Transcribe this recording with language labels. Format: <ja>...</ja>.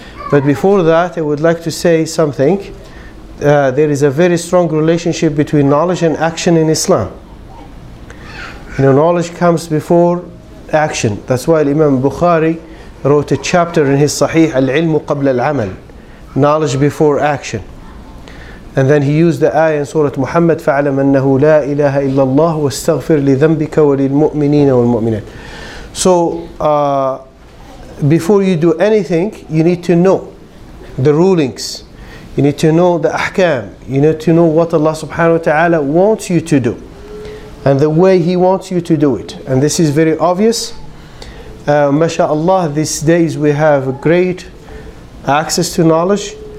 <en>But before that, I would like to say something. There is a very strong relationship between knowledge and action in Islam. You know, knowledge comes before action. That's why Imam Bukhari wrote a chapter in his Sahih,</en> <ar>Al-Ilmu Qabla Al-Amal,</ar> <en>knowledge before action. And then he used the ayah in Surah Muhammad,</en> <ar>فَعْلَمْ أَنَّهُ لَا إِلَهَ إِلَّا اللَّهُ وَاسْتَغْفِرْ لِذَنْبِكَ وَلِلْمُؤْمِنِينَ وَالْمُؤْمِنَاتِ.</ar> <en>So, before you do anything, you need to know the rulings. You need to know the ahkam. You need to know what Allah subhanahu wa ta'ala wants you to do, and the way He wants you to do it. And this is very obvious. MashaAllah, these days we have great access to knowledge.</en>